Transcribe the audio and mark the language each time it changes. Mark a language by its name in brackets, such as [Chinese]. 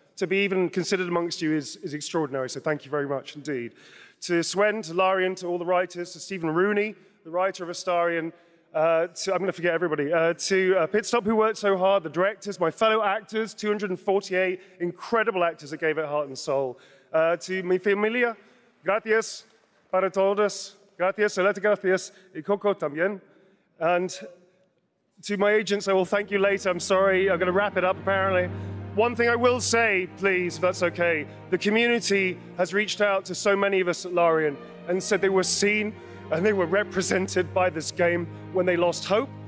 [English] To be even considered amongst you is extraordinary, so thank you very much indeed. To Sven, to Larian, to all the writers, to Stephen Rooney, the writer of Astarion, to Pitstop, who worked so hard, the directors, my fellow actors, 248 incredible actors that gave it heart and soul. To [Spanish] mi familia, gracias para todos, gracias, alerta, gracias, y Coco también. [English] And to my agents, I will thank you later. I'm sorry, I'm going to wrap it up, apparently. One thing I will say, please, if that's okay, the community has reached out to so many of us at Larian and said they were seen and they were represented by this game when they lost hope.